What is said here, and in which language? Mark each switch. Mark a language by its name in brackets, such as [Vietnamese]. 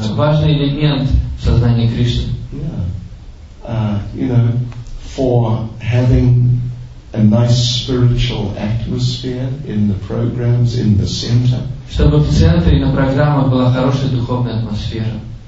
[Russian] Важный элемент в сознании Кришны. [English] Yeah. You know, for having a nice spiritual atmosphere in the programs in the center. [Russian] Чтобы в центре и на программах была хорошая духовная атмосфера.